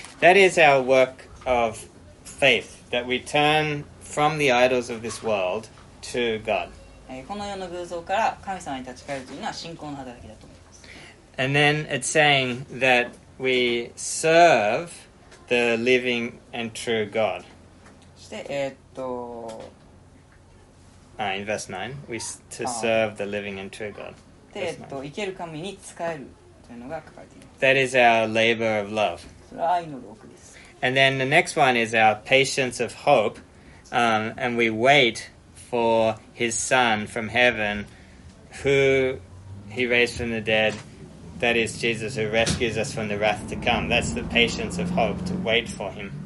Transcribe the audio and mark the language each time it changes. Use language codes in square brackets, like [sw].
[en] That is our work of faith, that we turn from the idols of this world to God. [ja] この世の偶像から神様に立ち返るというのは信仰の働きだと。 [en] And then it's saying that we serve the living and true God. In verse 9, we to serve the living and true God. [ja] 生ける神に仕えるというのが書かれています。 [en] That is our labor of love. [ja] それは愛の労苦です。 [en] And then the next one is our patience of hope, and we wait for his son from heaven, who he raised from the dead,That is Jesus who rescues us from the wrath to come. That's the patience of hope to wait for him.